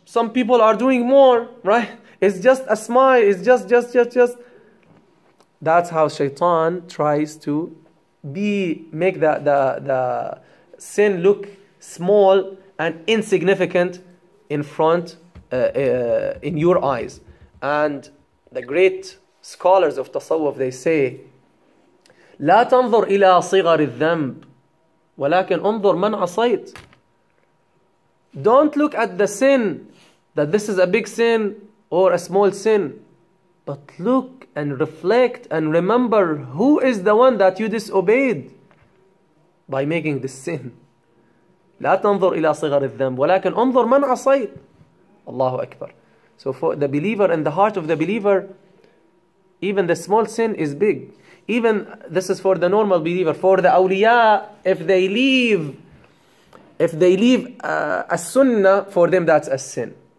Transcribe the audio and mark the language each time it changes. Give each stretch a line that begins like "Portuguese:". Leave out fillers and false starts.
English: Some people are doing more, right? It's just a smile, it's just. That's how Shaytan tries to make the sin look small and insignificant in front, in your eyes. And the great scholars of Tasawwuf, they say,
Arabic: لا تنظر إلى صغر الذنب ولكن انظر من عصيت.
English: Don't look at the sin, that this is a big sin or a small sin, but look and reflect and remember who is the one that you disobeyed by making this sin.
Arabic: لا تنظر إلى صغر الذنب ولكن انظر من عصيت. الله أكبر.
English: So for the believer and the heart of the believer, even the small sin is big. Even this is for the normal believer. For the awliya, if they leave a sunnah, for them that's a sin.